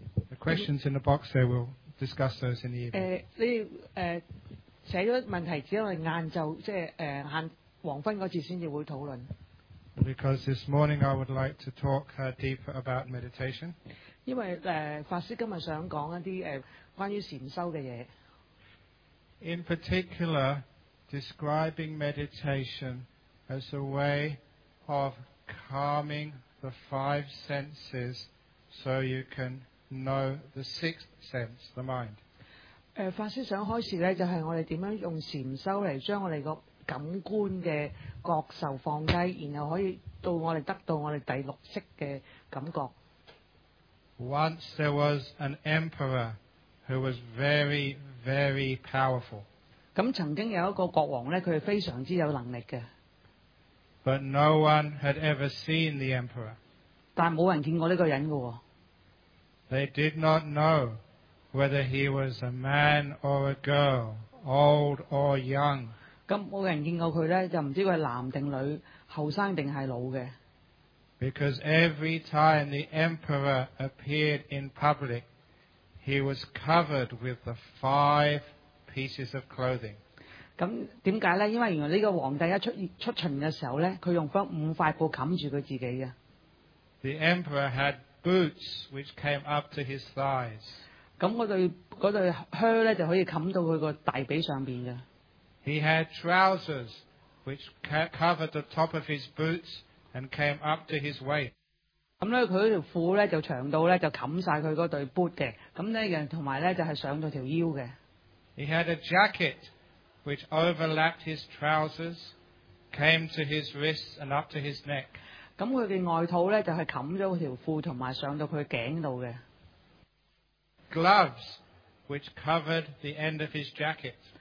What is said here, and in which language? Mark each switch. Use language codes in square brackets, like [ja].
[en] The questions in the box there, we'll discuss those in the evening. [yue] 寫咗問題只係晏晝，即係晏黃昏嗰節先至會討論。 [en] Because this morning I would like to talk deeper about meditation. [yue] 因為法師今日想講一啲關於禅修嘅嘢。 [en] In particular, describing meditation as a way of calming the five senses so you can know the sixth sense, the mind. [yue] 法師想開示咧，就係我哋點樣用禅修嚟將我哋個感官嘅覺受放低，然後可以到我哋得到我哋第六識嘅感覺。 [en] Once there was an emperor who was very, very powerful. [yue] 咁曾經有一個國王咧，佢係非常之有能力嘅。 [en] But no one had ever seen the emperor. [yue] 但冇人見過呢個人嘅喎。 [en] They did not know whether he was a man or a girl, old or young. [yue] 咁冇人見過佢咧，就唔知佢係男定女，後生定係老嘅。 [en] Because every time the emperor appeared in public, he was covered with the five pieces of clothing. [yue] 咁點解咧？因為原來呢個皇帝一出巡嘅時候咧，佢用翻五塊布冚住佢自己嘅。 [en] The emperor had boots which came up to his thighs. [yue] 咁嗰對靴咧就可以冚到佢個大髀上邊嘅。 [en] He had trousers which covered the top of his boots and came up to his waist. [yue] 咁咧，佢条裤咧就长到咧就冚晒佢嗰对 boot 嘅。咁呢样同埋咧就系上到条腰嘅。 [en] He had a jacket which overlapped his trousers, came to his wrists and up to his neck. [yue] 咁佢嘅外套咧就系冚咗条裤同埋上到佢颈度嘅。 [en] Gloves which covered the end of his jacket.